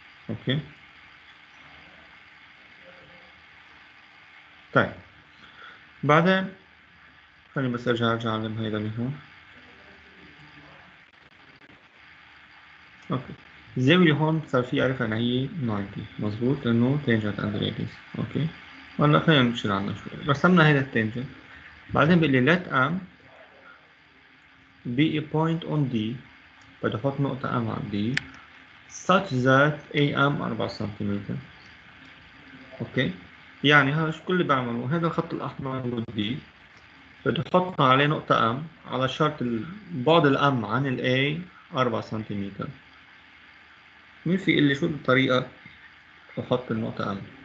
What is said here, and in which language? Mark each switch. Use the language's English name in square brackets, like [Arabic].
[Arabic] اوكي، طيب بعدين خليني بس ارجع اعلم هيدا من هون. اوكي، الزاوية اللي هون صار في اعرفها انها هي 90، مظبوط، لانه تانجنت اند راديوس. اوكي، هلا خلينا نمشي لعنا شوي. رسمنا هيدا التانجنت، بعدين بيقول لي [English] let m be a point on d، [Arabic] بدي احط نقطة m على d [English] such that [Arabic] am 4 سنتيمتر. اوكي، يعني هذا شو كل اللي بعمله، هذا الخط الاحمر هو دي، بدي احط عليه نقطة ام على شرط بعد الام عن الاي 4 سنتيمتر. مين في اللي شو الطريقة احط النقطة ام؟